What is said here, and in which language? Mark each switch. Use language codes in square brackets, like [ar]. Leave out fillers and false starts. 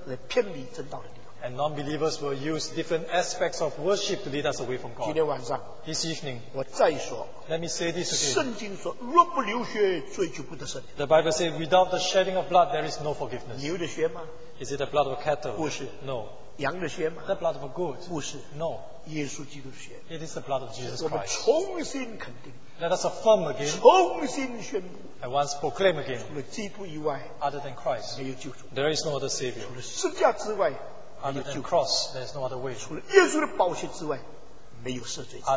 [zh] 那是不信的人装腔作势，用敬拜的意思来偏离正道的地方。 [en] And non-believers will use different aspects of worship to lead us away from God. [zh] 今天晚上, [en] this evening, [zh] 我再说, [en] let me say this again. [zh] 圣经说, 若不流血，罪就不得赦免。 [en] The Bible says, without the shedding of blood, there is no forgiveness. [zh] 牛的血吗? [en] Is it the blood of a cattle? [zh] 不是, [en] no. [zh] 羊的血吗? [en] The blood of a goat? [zh] 不是, [en] no. [zh] 耶稣基督血, [en] it is the blood of Jesus Christ. [zh] 我们重新肯定, [en] let us affirm again, [zh] 重新宣布, [en] and once proclaim again, [zh] 除了基督以外, [en] other than Christ, [zh] 没有救主, [en] there is no other Savior. [zh] 除了十架之外, [en] other than cross, there is no other way. [zh] 除了耶稣的宝血之外, 没有赦罪之外,